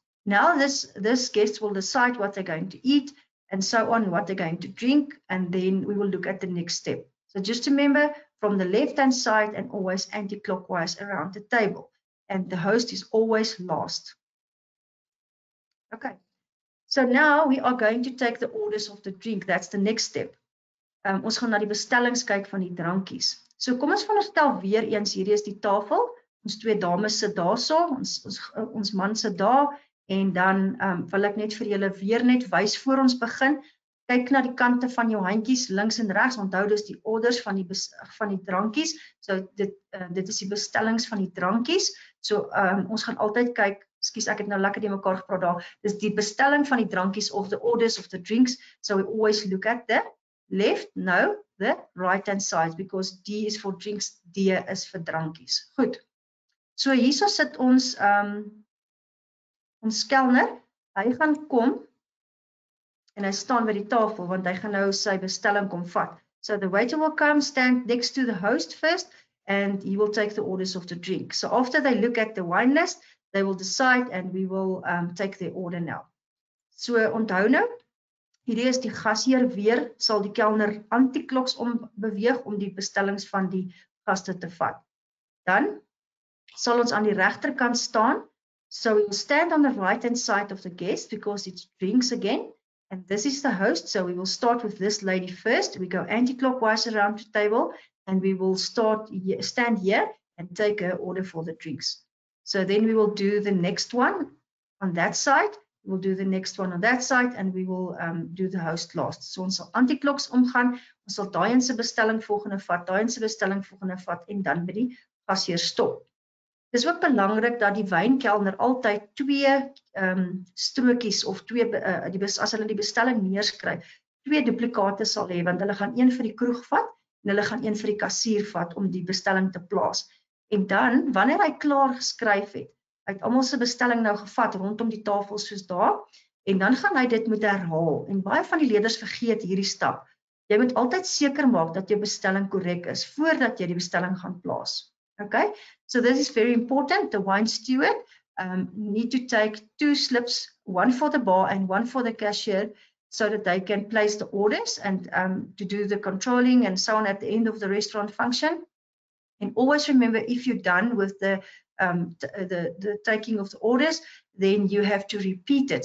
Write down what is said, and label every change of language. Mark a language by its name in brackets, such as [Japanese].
[English] Now this guest will decide what they're going to eat and so on, what they're going to drink, and then we will look at the next step. So just remember, from the left-hand side and always anti-clockwise around the table. And the host is always last. Okay, so now we are going to take the orders of the drink. That's the next step. [Afrikaans] Ons gaan na die bestellings kyk van die drankies. So kom ons veronderstel weer eens, hier is die tafel. Ons twee dames sit daar so, ons man sit daar. En dan wil ek net vir julle weer net wys voor ons begin. Kyk na die kante van jou handjies, links en regs. Onthou dus die orders van die drankies. So dit is die bestellings van die drankies. So ons gaan altyd kyk, excuse, ek het nou lekker die mekaar gepraat daar. Dis die bestelling van die drankies of [English] the orders of the drinks. So we always look at the left, no, the right hand side, because D is for drinks, [Afrikaans] D is vir drankies. Goed. So hierso sit ons ons kelner. Hy gaan kom en hy staan by die tafel, want hy gaan nou sy bestelling kom vat. [English] So the waiter will come, stand next to the host first, and he will take the orders of the drink. So after they look at the wine list, they will decide, and we will take their order now. [Afrikaans] So onthou nou, hierdie is die gasheer weer, sal die kelner anti-kloks beweeg om die bestellings van die gaste te vat. Dan sal ons aan die regterkant staan. [English] So we will stand on the right-hand side of the guest, because it's drinks again. And this is the host, so we will start with this lady first. We go anti-clockwise around the table, and we will stand here and take her order for the drinks. So then we will do the next one on that side. We will do the next one on that side, and we will do the host last. [Afrikaans] So ons sal anti-kloks omgaan, ons sal daaien se bestelling volgende vat, en dan by die gasheer stop. Dis ook belangrik dat die wynkelner altyd twee strookies of twee die as hulle die bestelling neerskryf, twee duplikate sal hê want hulle gaan een vir die kroeg vat en hulle gaan een vir die kassier vat om die bestelling te plaas. En dan wanneer hy klaar geskryf het, hy het almal se bestelling nou gevat rondom die tafel soos daar en dan gaan hy dit moet herhaal en baie van die leerders vergeet hierdie stap. Jy moet altyd seker maak dat jou bestelling korrek is voordat jy die bestelling gaan plaas. [English] Okay, so this is very important. The wine steward need to take two slips, one for the bar and one for the cashier, so that they can place the orders and to do the controlling and so on at the end of the restaurant function. And always remember, if you're done with the taking of the orders, then you have to repeat it.